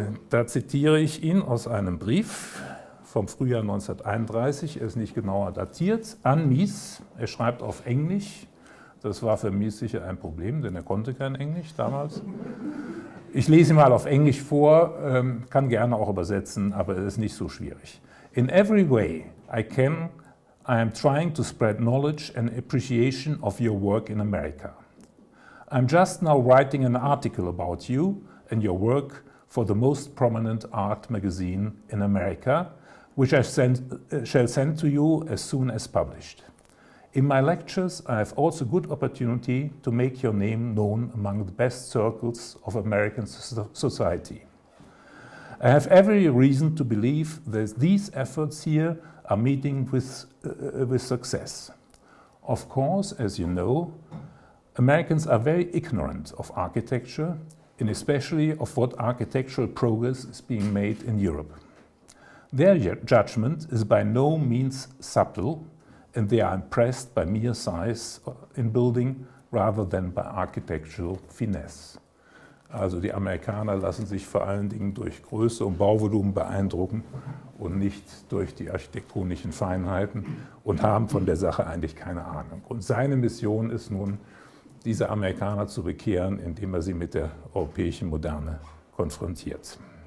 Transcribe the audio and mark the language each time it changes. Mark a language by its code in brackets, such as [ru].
[de] Da zitiere ich ihn aus einem Brief vom Frühjahr 1931, er ist nicht genauer datiert, an Mies. Er schreibt auf Englisch. Das war für Mies sicher ein Problem, denn er konnte kein Englisch damals. Ich lese ihn mal auf Englisch vor, kann gerne auch übersetzen, aber es ist nicht so schwierig. [en] In every way I can, I am trying to spread knowledge and appreciation of your work in America. I'm just now writing an article about you and your work for the most prominent art magazine in America, which I shall send to you as soon as published. In my lectures, I have also good opportunity to make your name known among the best circles of American society. I have every reason to believe that these efforts here are meeting with success. Of course, as you know, Americans are very ignorant of architecture, and especially of what architectural progress is being made in Europe. Their judgment is by no means subtle, and they are impressed by mere size in building rather than by architectural finesse. [de] Also die Amerikaner lassen sich vor allen Dingen durch Größe und Bauvolumen beeindrucken und nicht durch die architektonischen Feinheiten und haben von der Sache eigentlich keine Ahnung. Und seine Mission ist nun, diese Amerikaner zu bekehren, indem er sie mit der europäischen Moderne konfrontiert.